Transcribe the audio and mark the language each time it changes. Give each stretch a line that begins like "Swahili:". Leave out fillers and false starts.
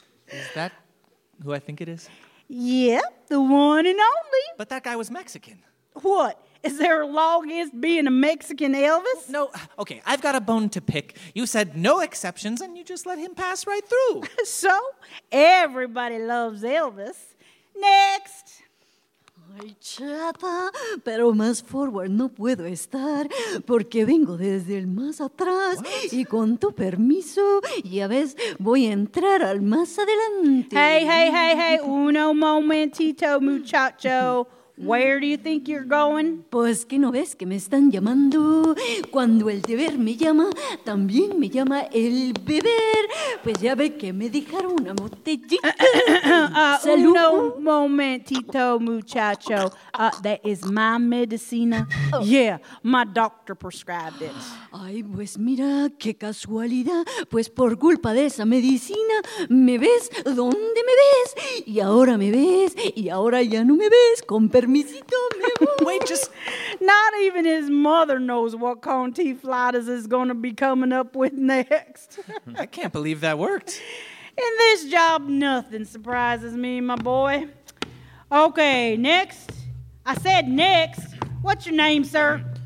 English: Is that who I think it is? Yep, the one and only. But that guy was Mexican. What? Is there a law against being a Mexican Elvis? No. Okay, I've got a bone to pick. You said no exceptions, and you just let him pass right through. So, everybody loves Elvis. Next.
Spanish: Ay, chata, pero más forward no puedo estar, porque vengo desde el más atrás.
English: What?
Spanish: Y con tu permiso, ya ves, voy a entrar al más adelante. Hey, uno momentito, muchacho.
English: Where do you think you're going?
Spanish: Pues que no ves que me están llamando. Cuando el deber me llama, también me llama el beber. Pues ya ve que me dejaron una botellita. Salud. Uno momentito, muchacho.
English: That is my
Spanish: medicina. Oh.
English: Yeah, my doctor prescribed it.
Spanish: Ay, pues mira, qué casualidad. Pues por culpa de esa medicina, me ves donde me ves. Y ahora me ves, y ahora ya no me ves. Con permiso.
English: Wait, just... Not even his mother knows what Conti Flatus is going to be coming up with next. I can't believe that worked. In this job, nothing surprises me, my boy. Okay, next. I said next. What's your name, sir?